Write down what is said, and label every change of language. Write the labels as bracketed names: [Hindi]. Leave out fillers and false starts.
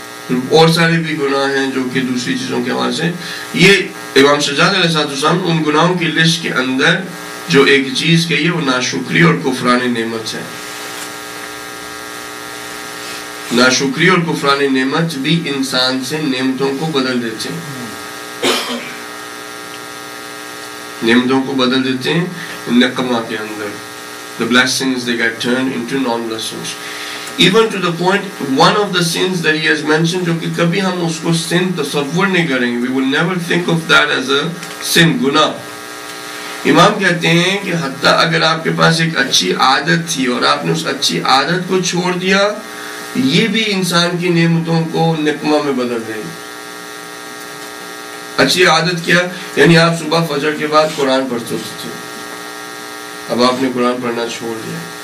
[Urdu] اور سارے بھی گناہ ہیں جو کہ دوسری چیزوں کے حوالے سے. یہ امام سجاد علیہ السلام ان گناہوں کی لسٹ کے اندر جو ایک چیز کہی ہے وہ ناشکری اور کفران نعمت ہے. ناشکری اور کفران نعمت بھی انسان سے نعمتوں کو بدل دیتے ہیں, نعمتوں کو بدل دیتے ہیں نقمہ کے اندر. [English] The blessings they get turned into non-blessings. Even to the point, one of the sins that he has mentioned, [Urdu] جو کہ کبھی ہم اس کو sin تصور نہیں کریں گے, [English] we will never think of that as a sin, guna. [Urdu] امام کہتے ہیں کہ حتیٰ اگر آپ کے پاس ایک اچھی عادت تھی اور آپ نے اس اچھی عادت کو چھوڑ دیا, یہ بھی انسان کی نعمتوں کو نقمہ میں بدل دے. اچھی عادت کیا, یعنی آپ صبح فجر کے بعد قرآن پڑھتے تھے, اب آپ نے قرآن پڑھنا چھوڑ دیا.